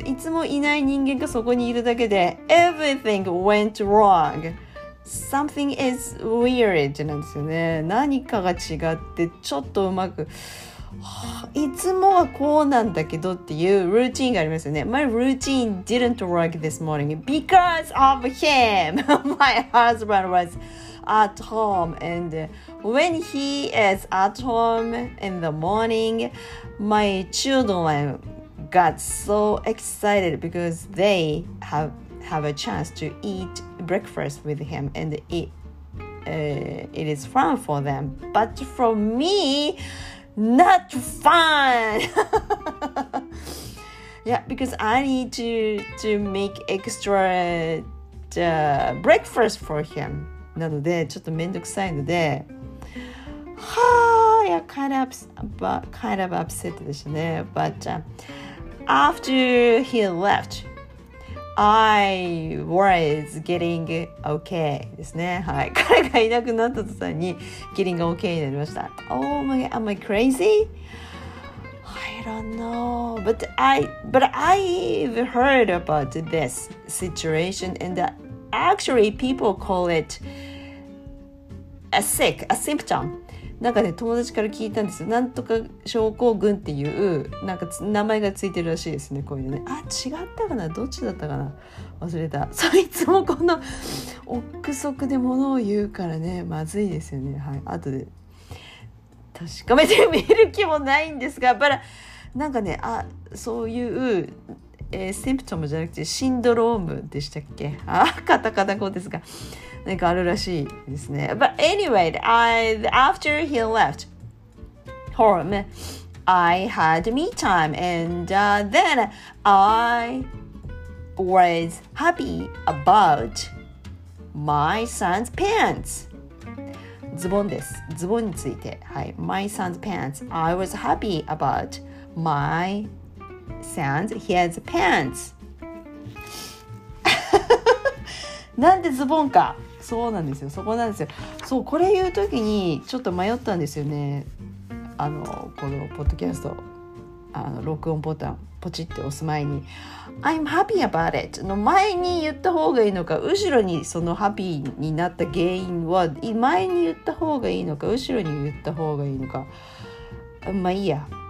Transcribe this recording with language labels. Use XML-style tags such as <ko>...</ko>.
<ja>いつもいない人間がそこにいるだけで。</ja> <en>Everything went wrong. Something is weird</en> <ja>なんですよね。何かが違って、ちょっとうまく、いつもはこうなんだけどっていうルーティーンがありますよね。</ja> <en>My routine didn't work this morning because of him. My husband was at home. And when he is at home in the morning,My children got so excited because they have a chance to eat breakfast with him and it is fun for them. But for me, not fun! Yeah, because I need to make extra breakfast for him.</en> <ja>なのでちょっとめんどくさいのでは</ja> <en>ぁ、yeah, kind of upset</en> <ja>でしたね。</ja> <en>But after he left, I was getting okay</en> <ja>ですね。はい。彼がいなくなった途端に</ja> <en>getting okay</en> <ja>になりました。</ja> <en>Oh my god, am I crazy? I don't know. But I've heard about this situation and actually people call it a symptom.</en> <ja>なんかね友達から聞いたんですよ。なんとか症候群っていうなんか名前がついてるらしいですね。こういうのね。あ、違ったかな。どっちだったかな。忘れた。そいつもこの憶測で物を言うからね、まずいですよね。はい。後で確かめてみる気もないんですが、バラなんかね、あ、そういう、シンプトムじゃなくてシンドロームでしたっけ。あ、カタカナ語ですが。なんかあるらしいですね。</ja> <en>But anyway, after he left home, I had me time and then I was happy about my son's pants.</en> <ja>ズボンです。ズボンについて。はい。</ja> <en>My son's pants. I was happy about my son's, his pants.</en> <ja>なんでズボンか。そうなんですよ。そこなんですよ。そう、これ言うときにちょっと迷ったんですよね。あのこのポッドキャスト、あの録音ボタンポチって押す前に</ja> <en>I'm happy about it</en> <ja>の前に言った方がいいのか、後ろにそのハッピーになった原因は前に言った方がいいのか、後ろに言った方がいいのか、まあいいや。</ja>